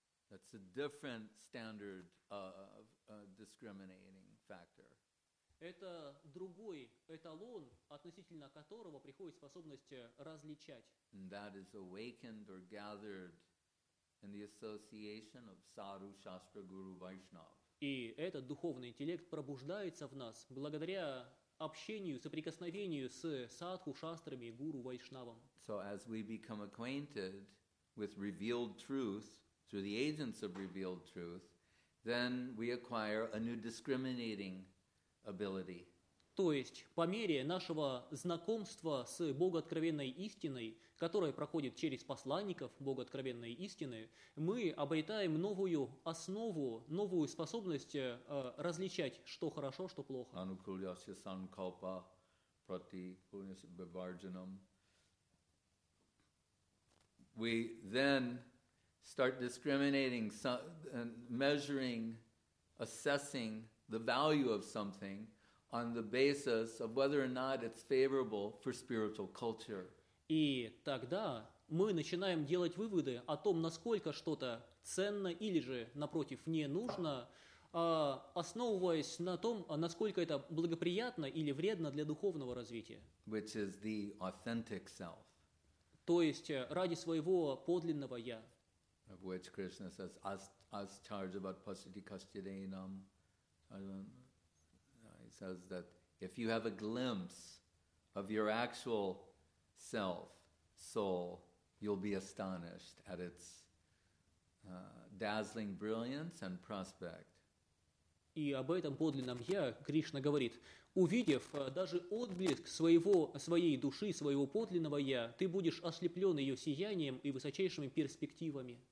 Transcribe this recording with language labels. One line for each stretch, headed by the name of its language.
English: That's a different standard of a discriminating factor.
Russian: Это другой эталон, относительно которого приходит способность различать.
English: And that is awakened or gathered in the association of Sadhu, Shastra, Guru, Vaishnav.
Russian: И этот духовный интеллект пробуждается в нас благодаря общению, соприкосновению с садху, шастрами и гуру, вайшнавом.
English: So as we become acquainted with revealed truth through the agents of revealed truth, then we acquire a new discriminating ability.
Russian: То есть, по мере нашего знакомства с богооткровенной истиной, которая проходит через посланников богооткровенной истины, мы обретаем новую основу, новую способность различать, что хорошо, что плохо.
Sanskrit: Анукульясья санкалпа прати кульясья биварджанам.
English: We then start discriminating, measuring, assessing the value of something on the basis of whether or not it's favorable for spiritual culture.
Russian: И тогда мы начинаем делать выводы о том, насколько что-то ценно или же, напротив, не нужно, основываясь на том, насколько это благоприятно или вредно для духовного развития.
English: Which is the authentic self.
Russian: То есть ради своего подлинного «я».
English: Of which Krishna says, as charge about pasati kastideinam, he says that if you have a glimpse of your actual self, soul, you'll be astonished at its dazzling brilliance and prospect.
Russian: И об этом подлинном я Кришна говорит: увидев даже отблеск своей души, своего подлинного я, ты будешь ослеплен ее сиянием и высочайшими перспективами.